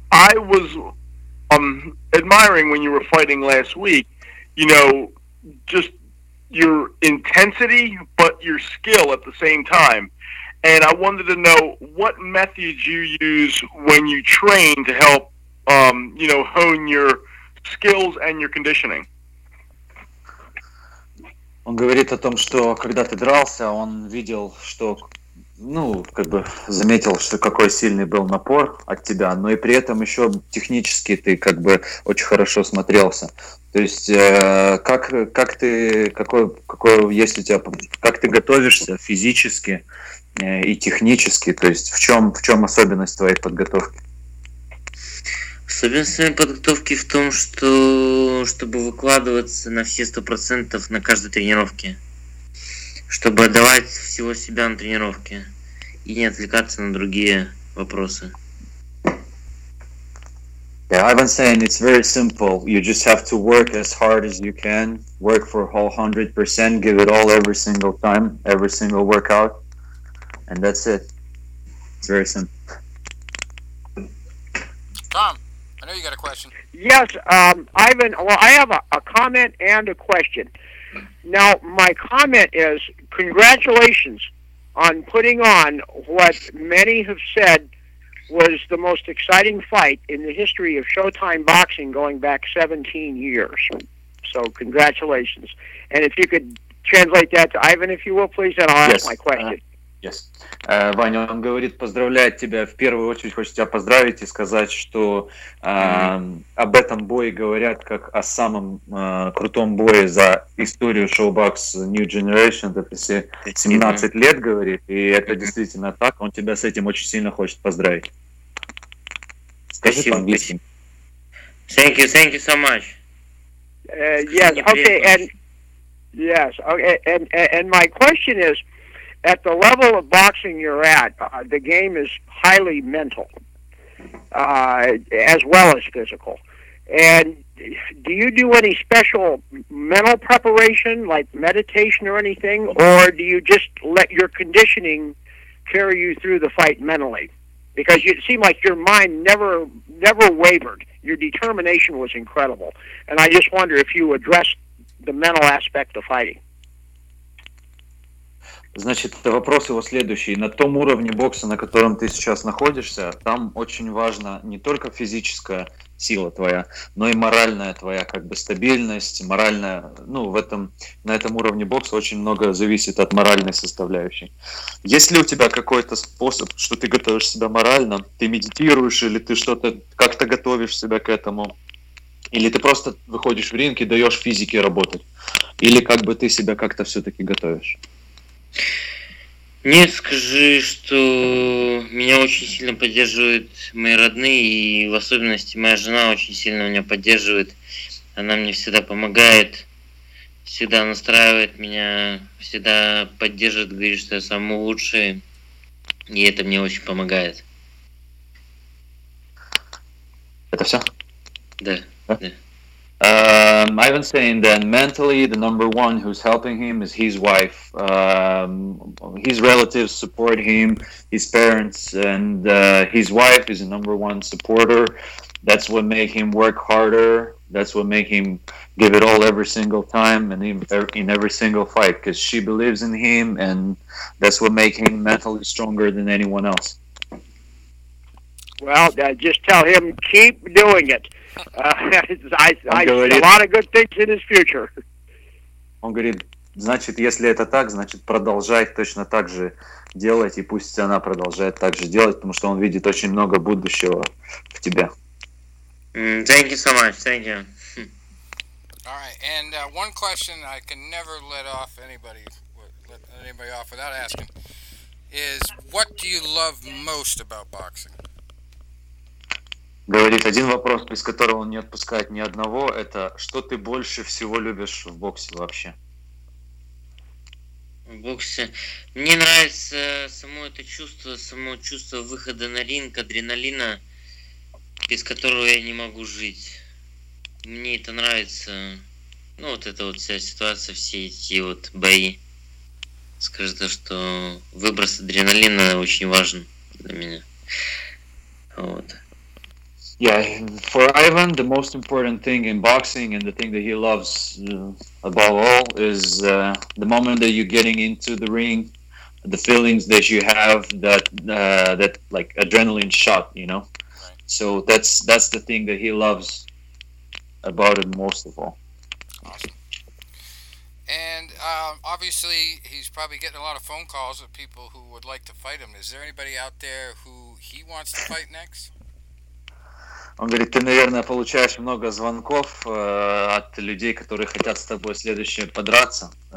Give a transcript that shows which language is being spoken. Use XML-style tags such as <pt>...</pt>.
<en>I was admiring when you were fighting last week, you know, just your intensity, but your skill at the same time. And I wanted to know what methods you use when you train to help, you know, hone your skills and your conditioning.</en> <ru>Он говорит о том, что когда ты дрался, он видел, что, ну, как бы заметил, что какой сильный был напор от тебя, но и при этом еще технически ты как бы очень хорошо смотрелся. То есть как ты готовишься физически и технически, то есть в чем особенность твоей подготовки? Особенность подготовки в том, чтобы выкладываться на все 100% на каждой тренировке. Чтобы отдавать всего себя на тренировке и не отвлекаться на другие вопросы.</ru> <en>Yeah, I've been saying it's very simple. You just have to work as hard as you can. Work for all 100%, give it all every single time, every single workout. And that's it. It's very simple. Tom. I know you got a question. Yes, Ivan, well, I have a comment and a question. Now, my comment is, congratulations on putting on what many have said was the most exciting fight in the history of Showtime Boxing going back 17 years. So, congratulations. And if you could translate that to Ivan, if you will, please, then I'll ask my question. Yes.</en> <ru>Ваня, он говорит, поздравляет тебя. В первую очередь хочет тебя поздравить и сказать, что об этом бое говорят как о самом крутом бое за историю Showbox New Generation. Это все 17 лет, говорит, и это действительно так. Он тебя с этим очень сильно хочет поздравить. Скажи по-английски.</ru> <en>Thank you so much. Yes, okay, and my question is, at the level of boxing you're at, the game is highly mental, as well as physical. And do you do any special mental preparation, like meditation or anything, or do you just let your conditioning carry you through the fight mentally? Because it seemed like your mind never wavered. Your determination was incredible. And I just wonder if you addressed the mental aspect of fighting.</en> <ru>Значит, вопрос его следующий. На том уровне бокса, на котором ты сейчас находишься, там очень важна не только физическая сила твоя, но и моральная твоя как бы стабильность, моральная, ну, в этом, на этом уровне бокса очень многое зависит от моральной составляющей. Есть ли у тебя какой-то способ, что ты готовишь себя морально? Ты медитируешь или ты что-то, как-то готовишь себя к этому? Или ты просто выходишь в ринг и даешь физике работать? Или как бы ты себя как-то все-таки готовишь? Нет, скажи, что меня очень сильно поддерживают мои родные, и в особенности моя жена очень сильно меня поддерживает. Она мне всегда помогает, всегда настраивает меня, всегда поддерживает, говорит, что я самый лучший, и это мне очень помогает. Это все? Да.</ru> <en>Ivan's saying that mentally the number one who's helping him is his wife. His relatives support him, his parents, and his wife is the number one supporter. That's what makes him work harder. That's what makes him give it all every single time and in every single fight, because she believes in him, and that's what makes him mentally stronger than anyone else. Well, just tell him, keep doing it. I see a lot of good things in his future.</en> <ru>Он говорит, значит, если это так, значит, продолжай точно так же делать, и пусть она продолжает так же делать, потому что он видит очень много будущего в тебе.</ru> <en>Thank you so much. Thank you. All right, and one question I can never let anybody off without asking is, what do you love most about boxing?</en> <ru>Говорит, один вопрос, без которого он не отпускает ни одного, это что ты больше всего любишь в боксе вообще? В боксе? Мне нравится само это чувство, само чувство выхода на ринг, адреналина, без которого я не могу жить. Мне это нравится, ну вот эта вот вся ситуация, все эти вот бои. Скажи, что выброс адреналина очень важен для меня. Вот.</ru> <en>Yeah, for Ivan, the most important thing in boxing and the thing that he loves above all is the moment that you're getting into the ring, the feelings that you have, that like adrenaline shot, you know? Right. So that's the thing that he loves about it most of all. Awesome. And obviously, he's probably getting a lot of phone calls of people who would like to fight him. Is there anybody out there who he wants to fight next?</en> <ru>Он говорит, ты, наверное, получаешь много звонков от людей, которые хотят с тобой следующее подраться.</ru>